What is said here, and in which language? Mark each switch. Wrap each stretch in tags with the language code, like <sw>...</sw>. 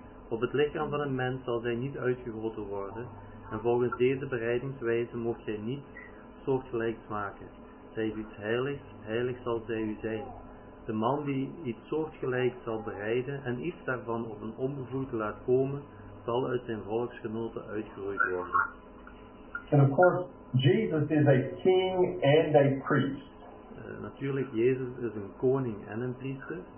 <nl>Op het lichaam van een mens zal zij niet uitgegoten worden, en volgens deze bereidingswijze mocht zij niet soortgelijks maken. Zij is iets heiligs, heilig zal zij u zijn. De man die iets soortgelijks zal bereiden en iets daarvan op een onbevoegde laat komen, zal uit zijn volksgenoten uitgeroeid worden.</nl> <en>And of course, Jesus is a king and a priest.</en> <nl>Natuurlijk, Jezus is een koning en een priester.</nl>